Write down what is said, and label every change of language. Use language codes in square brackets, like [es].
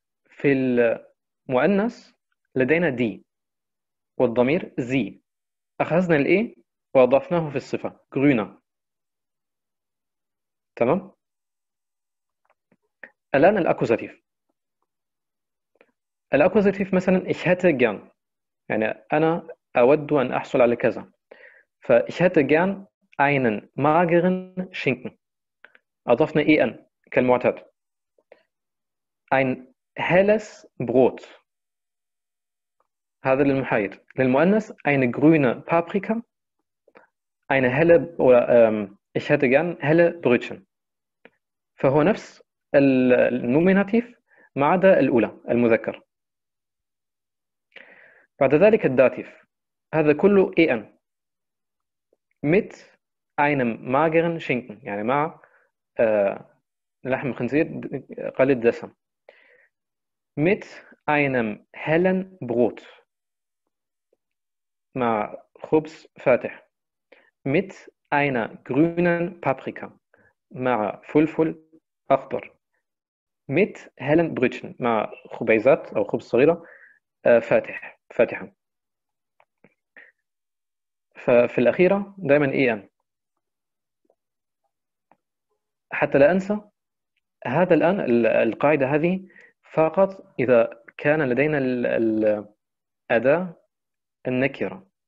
[ar] في المؤنث لدينا دي والضمير زي أخذنا الإي وأضفناه في الصفة غرينة تمام. الآن الأكوزاتيف. الأكوزاتيف مثلا [de] ich hätte gern [ar] يعني أنا أود أن أحصل على كذا. [de] ف ich hätte gern einen mageren Schinken [ar] أضفنا إن كالمعتاد. [de] ein helles Brot [ar] هذا للمحايد. للمؤنث [de] eine grüne Paprika eine helle oder ich hätte gern helle Brötchen. [ar] فهو نفس النوميناتيف ما عدا الأولى المذكر. بعد ذلك الداتيف هذا كله إن [de] mit einem mageren Schinken [ar] يعني مع لحم خنزير قليل الدسم. [de] mit einem hellen Brot [ar] مع خبز فاتح. [de] mit einer grünen Paprika [ar] مع فلفل أخضر. [de] mit hellen Brötchen [ar] مع خبيزات أو خبز صغيرة فاتحة. ففي الأخيرة دائما إن حتى لا أنسى. هذا الآن القاعدة هذه فقط إذا كان لدينا الأداة النكرة.